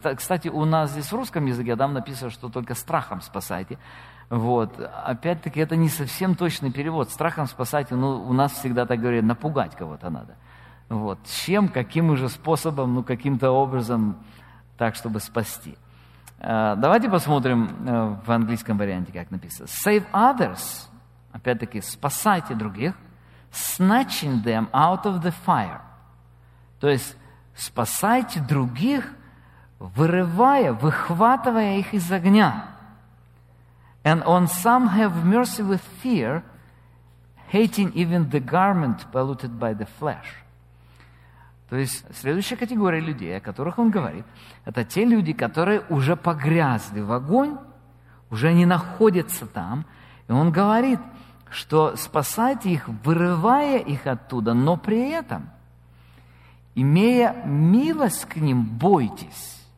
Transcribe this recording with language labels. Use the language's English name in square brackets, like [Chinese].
[Russian] Кстати, у нас здесь в русском языке там написано, что только страхом спасайте. Вот. Опять-таки, это не совсем точный перевод. Страхом спасайте, ну, у нас всегда так говорят, напугать кого-то надо. Вот. Чем, каким уже способом, ну, каким-то образом так, чтобы спасти. Давайте посмотрим в английском варианте, как написано. [English] Save others, [Russian] опять-таки, спасайте других, [English] snatching them out of the fire. [Russian] То есть, спасайте других, вырывая, выхватывая их из огня. [English] And on some have mercy with fear, hating even the garment polluted by the flesh. [Russian] То есть, следующая категория людей, о которых он говорит, это те люди, которые уже погрязли в огонь, уже не находятся там. И он говорит, что спасайте их, вырывая их оттуда, но при этом, имея милость к ним, бойтесь.